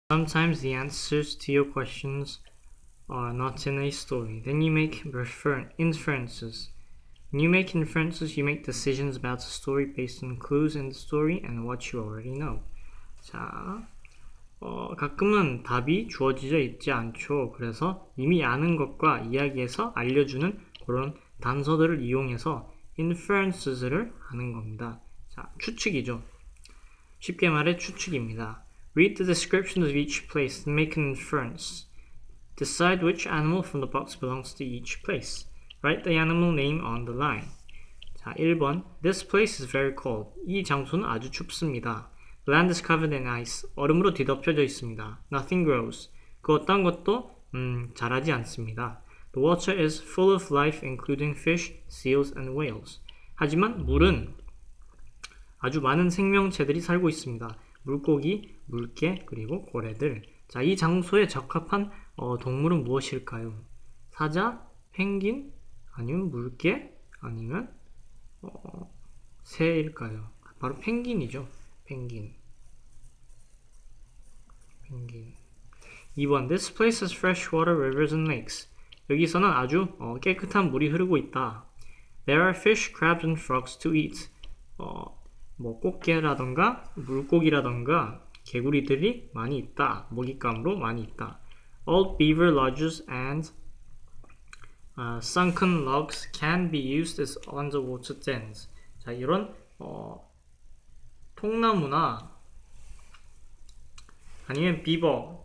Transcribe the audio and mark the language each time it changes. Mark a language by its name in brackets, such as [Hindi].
[English] Sometimes the answers to your questions are not in a story. Then you make inferences. When you make inferences, you make decisions about a story based on clues in the story and what you already know. [Korean] 자, 가끔은 답이 주어져 있지 않죠. 그래서 이미 아는 것과 이야기에서 알려주는 그런 단서들을 이용해서 inferences를 하는 겁니다. 자, 추측이죠. 쉽게 말해 추측입니다. [English] Read the description of each place and make an inference. Decide which animal from the box belongs to each place. Write the animal name on the line. [Korean] 자, 1번. [English] This place is very cold. [Korean] 이 장소는 아주 춥습니다. [English] The land is covered in ice. [Korean] 얼음으로 뒤덮여져 있습니다. [English] Nothing grows. [Korean] 그 어떤 것도 자라지 않습니다. [English] The water is full of life, including fish, seals, and whales. [Korean] 하지만 물은 아주 많은 생명체들이 살고 있습니다. 물고기, 물개, 그리고 고래들. 자, 이 장소에 적합한 동물은 무엇일까요? 사자, 펭귄, 아니면 물개, 아니면 새일까요? 바로 펭귄이죠. 펭귄. 2번. [English] This place has fresh water, rivers, and lakes. [Korean] 여기서는 아주 깨끗한 물이 흐르고 있다. [English] There are fish, crabs, and frogs to eat. [Korean] 뭐 꽃게라던가 물고기라던가 개구리들이 많이 있다. 먹잇감으로 많이 있다. [English] Old beaver lodges and sunken logs can be used as underwater dens. [Korean] 자, 이런 통나무나 아니면 비버.